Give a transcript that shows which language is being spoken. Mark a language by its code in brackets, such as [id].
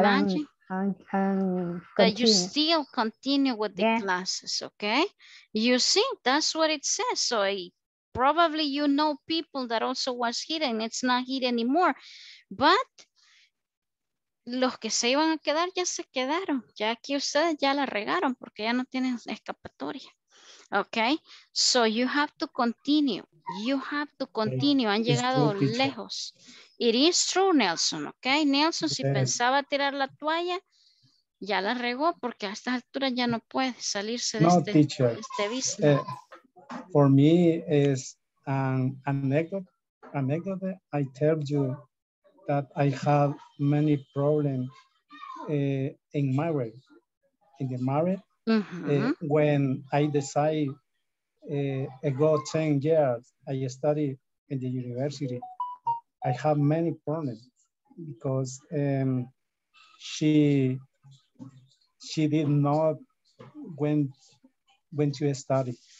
[en] Imagine that you still continue with the classes, okay? You see, that's what it says. So probably you know people that also was here and it's not here anymore. [es] But los que se iban a quedar ya se quedaron. Ya aquí ustedes ya la regaron porque ya no tienen escapatoria. [en] Okay, so you have to continue. You have to continue. [es] Han llegado lejos. [en] It is true, Nelson. [es] Okay, Nelson, si pensaba tirar la toalla, ya la regó porque a esta altura ya no puede salirse de este business. [en] For me, is an anecdote. Anecdote. I tell you that I have many problems in marriage. In the marriage. Mm-hmm. When I decide ago 10 years I studied in the university, I have many problems because she did not went to study